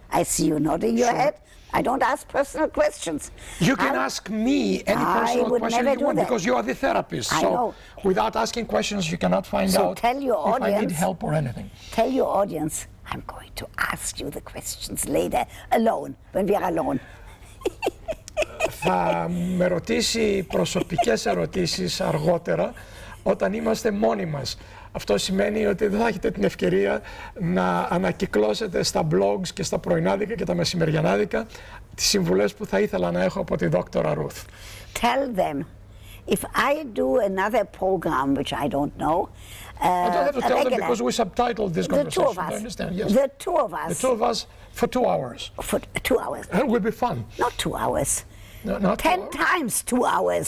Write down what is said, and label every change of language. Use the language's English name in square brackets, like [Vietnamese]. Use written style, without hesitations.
[English] I see you nodding your head. I don't ask personal questions. You can ask me any personal question you want, because you are the therapist. I know. Without asking questions, you cannot find out if I need help or anything. Tell your audience, I'm going to ask you the questions later, alone, when we are alone. [Greek] Θα με ρωτήσει προσωπικές ερωτήσεις αργότερα, όταν είμαστε μόνοι μας. Αυτό σημαίνει ότι δεν θα έχετε την ευκαιρία να ανακυκλώσετε στα blogs και στα πρωινάδικα και τα μεσημεριανάδικα τις συμβουλές που θα ήθελα να έχω από τη δόκτωρα Ruth. [English] Tell them, if I do another program, which I don't know, I don't have to tell them because we subtitled this conversation. The two of us. I understand, yes. The two of us. The two of us for 2 hours. For 2 hours. And it will be fun. Not 2 hours. No, not 10 times 2 hours.